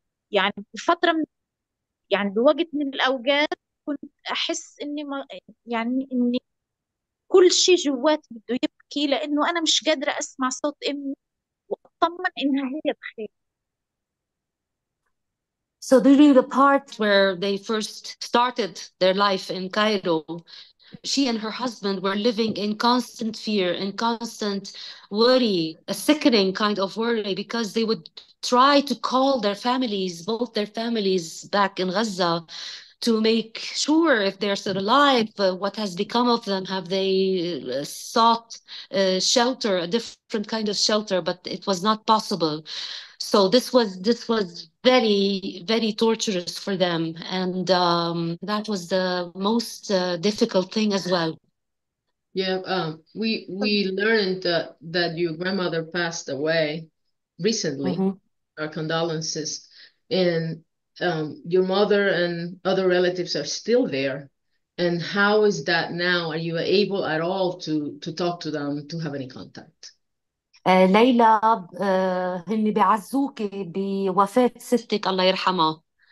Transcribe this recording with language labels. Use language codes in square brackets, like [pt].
[ar] يعني بفترة من يعني بوقت من الأوقات كنت أحس إني ما يعني إني كل شيء جواتي بده يبكي، لأنه أنا مش قادرة أسمع صوت أمي وأطمن إنها هي بخير. [en] So during the part where they first started their life in Cairo, she and her husband were living in constant fear, in constant worry, a sickening kind of worry, because they would try to call their families, both their families back in Gaza, to make sure if they're still alive, what has become of them, have they sought shelter, a different kind of shelter, but it was not possible. So this was very, very torturous for them. And that was the most difficult thing as well. Yeah, we learned that your grandmother passed away recently. Mm-hmm. Our condolences. And your mother and other relatives are still there. And how is that now? Are you able at all to talk to them, to have any contact? [ar] ليلى هني بيعزوكي بوفاة ستك الله يرحمها